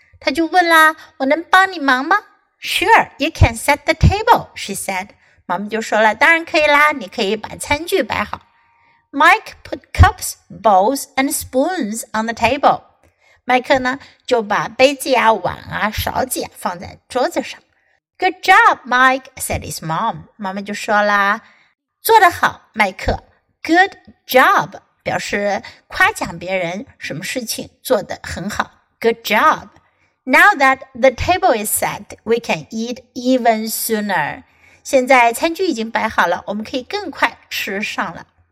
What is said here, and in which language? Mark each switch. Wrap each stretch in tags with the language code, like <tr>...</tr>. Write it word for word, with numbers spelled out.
<zh>他就问啦，我能帮你忙吗？</zh> <en>Sure, you can set the table, she said.</en> <zh>妈妈就说了，当然可以啦，你可以把餐具摆好。</zh> <en>Mike put cups, bowls, and spoons on the table.</en> <zh>麦克呢，就把杯子呀、碗啊、勺子呀放在桌子上。</zh> <en>Good job, Mike, said his mom.</en> <zh>妈妈就说啦，做得好，麦克。</zh> <en>Good job,</en> <zh>表示夸奖别人什么事情做得很好。</zh> <en>Good job. Now that the table is set, we can eat even sooner.</en> <zh>现在餐具已经摆好了，我们可以更快吃上了。</zh>